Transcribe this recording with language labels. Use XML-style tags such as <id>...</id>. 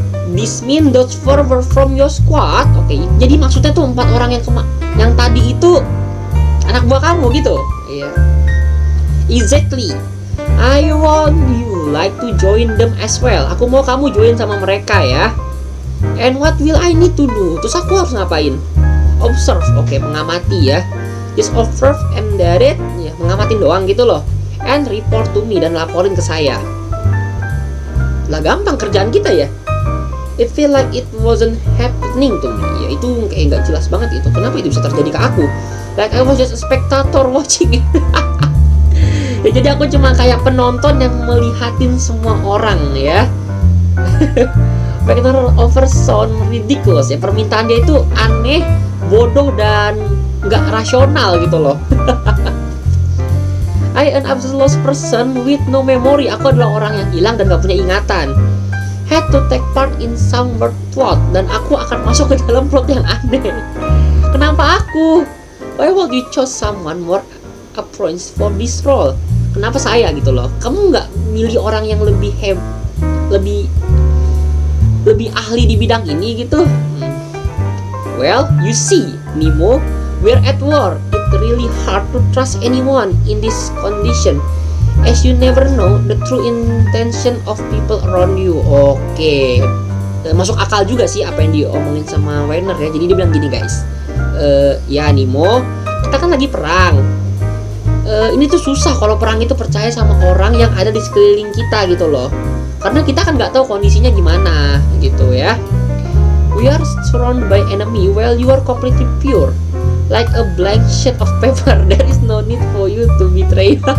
<en>This mean those four were from your squad.</en> <id>Okay. Jadi maksudnya tuh empat orang yang tadi itu anak buah kamu gitu. Iya.</id> <en>Yeah. Exactly. I want you like to join them as well.</en> <id>Aku mau kamu join sama mereka ya.</id> <en>And what will I need to do?</en> <id>Terus aku harus ngapain?</id> <en>Observe. Okay,</en> <id>mengamati ya.</id> <en>Just observe and that it,</en> <id>ya, mengamatin doang gitu loh.</id> <en>And report to me,</en> <id>dan laporin ke saya. Lah gampang kerjaan kita ya.</id> <en>It feel like it wasn't happening to me.</en> <id>Ya itu kayak gak jelas banget itu. Kenapa itu bisa terjadi ke aku?</id> <en>Like I was just a spectator watching.</en> <id>Ya jadi aku cuma kayak penonton yang melihatin semua orang ya.</id> <en>Factor over sound ridiculous</en> <id>ya. Permintaan dia itu aneh, bodoh, dan nggak rasional gitu loh.</id> <en>I am an absolute lost person with no memory.</en> <id>Aku adalah orang yang hilang dan gak punya ingatan.</id> <en>Had to take part in some weird plot.</en> <id>Dan aku akan masuk ke dalam plot yang aneh. Kenapa aku?</id> <en>Why would you choose someone more appropriate for this role?</en> <id>Kenapa saya gitu loh? Kamu gak milih orang yang lebih ahli di bidang ini gitu?</id> <en>Well, you see, Nemo, we're at war. It's really hard to trust anyone in this condition, as you never know the true intention of people around you.</en> <id>Okay. Masuk akal juga sih apa yang diomongin sama Werner ya. Jadi dia bilang gini guys, ya Nimo, kita kan lagi perang. Ini tuh susah kalau perang itu percaya sama orang yang ada di sekeliling kita gitu loh. Karena kita kan nggak tahu kondisinya gimana gitu ya.</id> <en>We are surrounded by enemy while you are completely pure. Like a blank sheet of paper, there is no need for you to betray.</en>